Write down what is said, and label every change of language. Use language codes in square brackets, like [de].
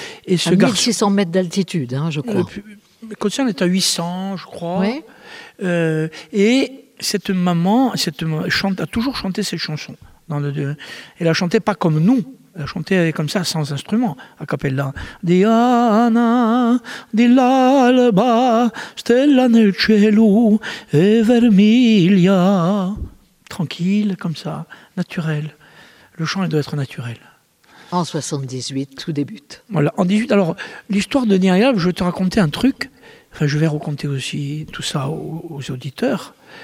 [fr] Et ce garçon... À 1600 mètres d'altitude, hein, je crois. Coutsan est à 800, je crois. Oui. Et cette maman a toujours chanté cette chanson. Elle la chantait pas comme nous. Elle chantait comme ça, sans instrument, a cappella. [co] Diana, di l'alba, stella nel cielo, e vermiglia. [fr] Tranquille, comme ça, naturel. Le chant, il doit être naturel. En 78, tout débute. Voilà, en 18. Alors, l'histoire de Diana, je vais te raconter un truc. Enfin, je vais raconter aussi tout ça aux auditeurs.